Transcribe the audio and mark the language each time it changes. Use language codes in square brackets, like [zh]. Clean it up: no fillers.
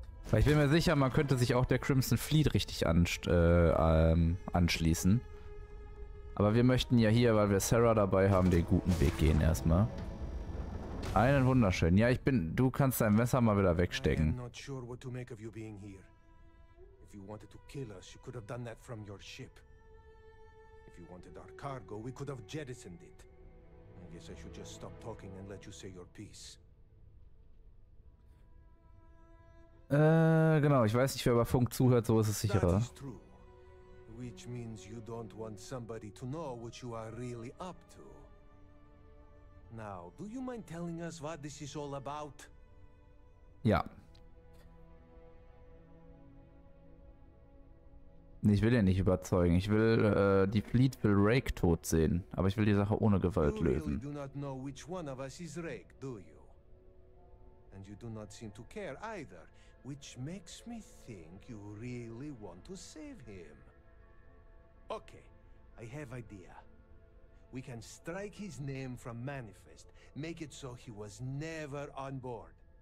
[de] Weil ich bin mir sicher, man könnte sich auch der Crimson Fleet richtig anschließen. Aber wir möchten ja hier, weil wir Sarah dabei haben, den guten Weg gehen erstmal. Einen wunderschönen. Ja, ich bin... Du kannst dein Messer mal wieder wegstecken. Ich bin nicht sicher, was du von dir hier [en] being here. If you wanted to kill us, you could have done that from your ship. If you wanted our cargo, we could have jettisoned it. I guess I should just stop talking and let you say your piece. [de] Genau. Ich weiß nicht, wer über Funk zuhört, so ist es sicherer. [en] Which means you don't want somebody to know what you are really up to. Now, do you mind telling us what this is all about? [de] Ja. Ich will ja nicht überzeugen. Ich will, die Fleet will Rake tot sehen. Aber ich will die Sache ohne Gewalt lösen. [en] You really do not know which one of us is Rake, do you? And you do not seem to care either. Which makes me think you really want to save him. Okay, I have idea. We can strike his name from manifest, make it so he was never on board.